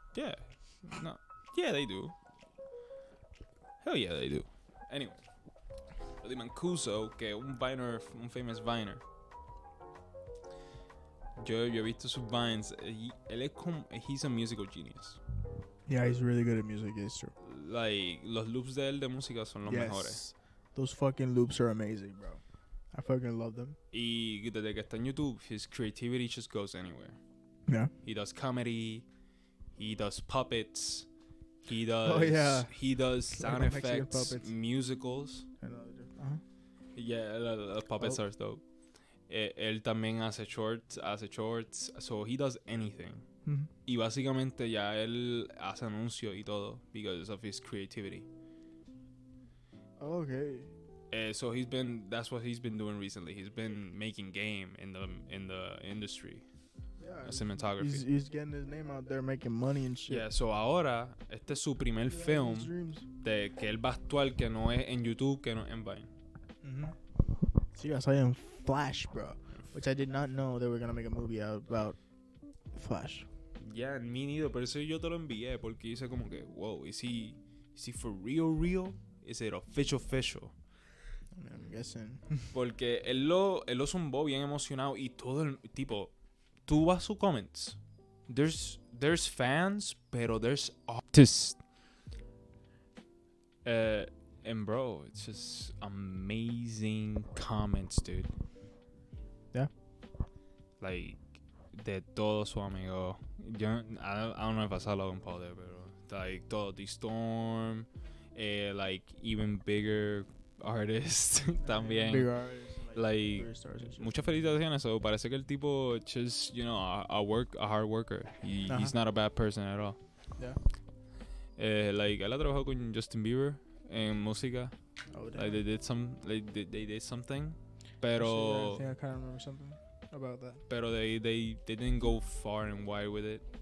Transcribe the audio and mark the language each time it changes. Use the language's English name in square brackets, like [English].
[English] Yeah. No. Yeah, they do. Hell yeah, they do. Anyway. [Spanish] Rudy Mancuso, que un viner, un famous viner. Yo he visto sus vines. [English] He's a musical genius. Yeah, he's really good at music, it's true. [Spanish] Like, los loops de él de música son los mejores. [English] Yes. Those fucking loops are amazing, bro. I fucking love them. [Spanish] Y desde que está en YouTube, [English] his creativity just goes anywhere. Yeah. He does comedy. He does puppets. He does. Oh, yeah. He does sound effects, musicals. Yeah, puppets are dope. [Spanish] Él también hace shorts. [English] So he does anything. Mm-hmm. [Spanish] Y básicamente ya él hace anuncio y todo [English] because of his creativity. Okay. So he's been, that's what he's been doing recently. He's been making game in the industry. Yeah, cinematography. He's getting his name out there, making money and shit. [Spanish] Yeah, so ahora este es su primer film de que él va a actuar, que no es en YouTube, que no es en Vine. [English] Mm-hmm. See, I saw him Flash, bro, which I did not know they were gonna make a movie out about Flash. Yeah, me neither. [Spanish] Pero eso yo te lo envié porque hice como que, whoa, [English] is he for real, real? Is it official? I'm guessing. [Spanish] Porque él lo zumbó bien emocionado y todo el tipo. Tú vas a su comments. [English] There's fans, [Spanish] pero [English] there's artists, and bro, it's just amazing comments, dude. Yeah. Like, [Spanish] de todo su amigo. [English] I don't know if I saw Logan Paul there, pero like todo the Storm, like even bigger artists también. Bigger artists. [Spanish] Like, muchas felicitaciones. So, parece que el tipo [English] just, you know, a hard worker. [Spanish] Uh-huh. [English] He's not a bad person at all. Yeah. [Spanish] Like, él ha trabajado con Justin Bieber en música. [English] Oh, damn. Like, they did something. Pero... I think I kind of remember something about that. Pero they didn't go far and wide with it.